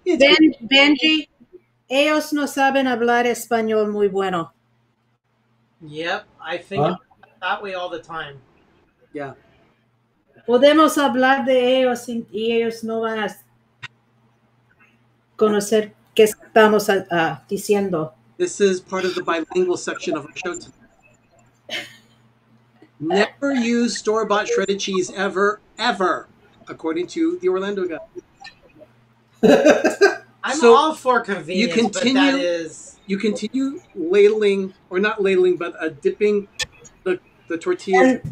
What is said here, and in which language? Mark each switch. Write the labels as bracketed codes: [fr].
[es] Benji, ellos no saben hablar español muy bueno. [en] Yep, I think that way all the time. Yeah. [es] Podemos hablar de ellos y ellos no van a conocer qué estamos diciendo. [en] This is part of the bilingual section of our show today. Never use store-bought shredded cheese ever, ever, according to the Orlando guy. I'm so all for convenience, You continue ladling, or not ladling, but dipping the tortilla.